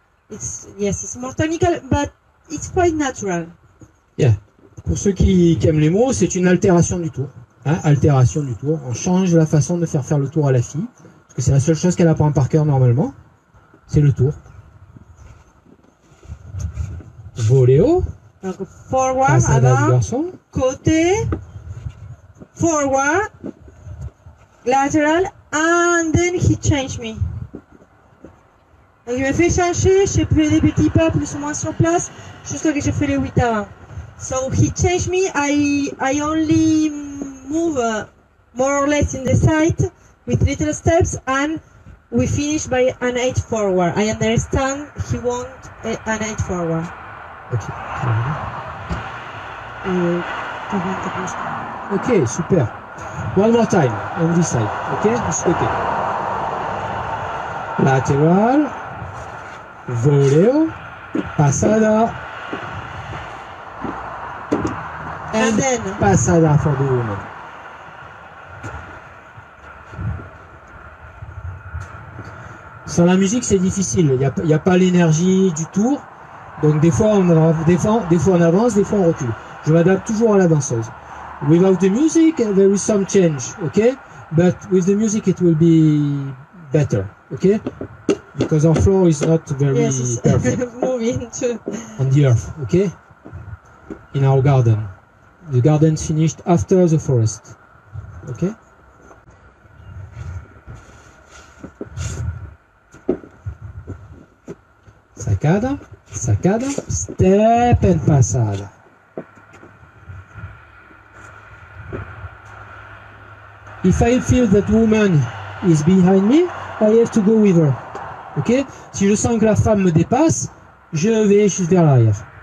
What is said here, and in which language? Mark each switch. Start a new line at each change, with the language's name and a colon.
English: It's, yes, it's more technical, but it's quite natural. Yeah.
French: Pour ceux qui aiment les mots, c'est une altération du tour. Hein, altération du tour, on change la façon de faire le tour à la fille, parce que c'est la seule chose qu'elle apprend par cœur normalement, c'est le tour. Voléo,
English: donc forward,
French: avant, côté,
English: forward, lateral, and then he changed me.
French: Donc il me fait changer, j'ai fait des petits pas plus ou moins sur place, jusqu'à ce que j'ai fait les 8 avant.
English: So he changed me, I only move more or less in the side with little steps and we finish by an 8 forward. I understand he want an 8 forward. Okay. Okay, super. One more time on this side. Okay? Okay. Lateral, voleo, passada. And then passada for the woman.
French: Sans la musique, c'est difficile. Il y a pas l'énergie du tour. Donc des fois on avance, des fois on recule. Je m'adapte toujours à la danseuse.
English: Without the music, there is some change, okay? But with the music, it will be better, okay? Because our floor is not very yes, perfect. Moving to on the earth, okay? In our garden. The garden finished after the forest, okay? Sacada, sacada, step and passada. If I feel that woman is behind me, I have to go with her. Ok?
French: Si je sens que la femme me dépasse, je vais juste vers l'arrière.